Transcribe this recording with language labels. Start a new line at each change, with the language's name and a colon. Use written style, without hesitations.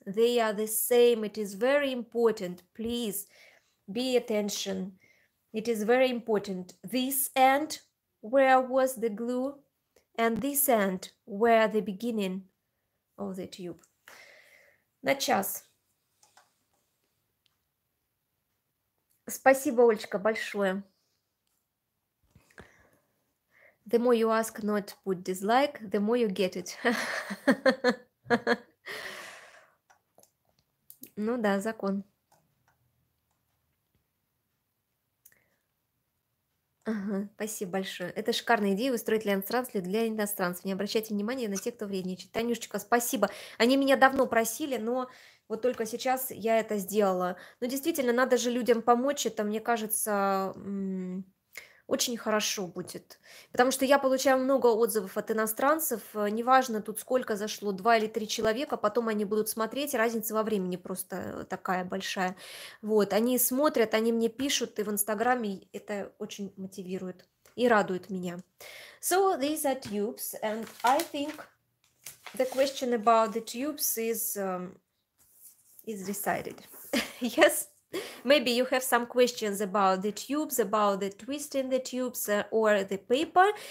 English: They are the same. It is very important. Please be attention. It is very important. This end where was the glue, and this end where the beginning of the tube.
Russian: На час. Спасибо, Олечка, большое.
English: The more you ask not to put dislike, the more you get it.
Russian: Ну да, закон. Ага, спасибо большое. Это шикарная идея устроить ленд-трансли для иностранцев. Не обращайте внимания на тех, кто вредничает. Танюшечка, спасибо. Они меня давно просили, но вот только сейчас я это сделала. Но действительно, надо же людям помочь. Это, мне кажется, очень хорошо будет. Потому что я получаю много отзывов от иностранцев. Неважно, тут сколько зашло, 2 или 3 человека, потом они будут смотреть, разница во времени просто такая большая. Вот, они смотрят, они мне пишут, и в Инстаграме это очень мотивирует и радует меня.
English: So, these are tubes, and I think the question about the tubes is decided. Yes? Maybe you have some questions about the tubes, about the twist in the tubes or the paper.